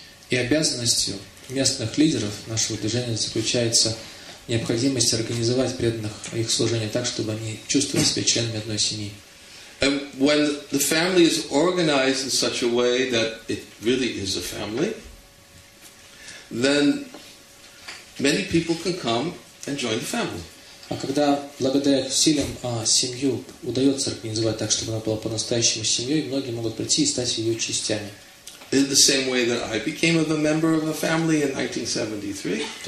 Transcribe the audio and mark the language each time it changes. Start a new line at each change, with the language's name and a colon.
Russian: И обязанностью местных лидеров нашего движения заключается необходимость организовать преданных их служение так, чтобы они чувствовали себя членами одной семьи.
English: And when the family is organized in such a way that it really is a family, then many people can come and join the family.
Russian: А когда благодаря усилиям семью удается организовать так, чтобы она была по-настоящему семьей, многие могут прийти и стать ее частями.
English: In the same way that I became a member of a family in 1973.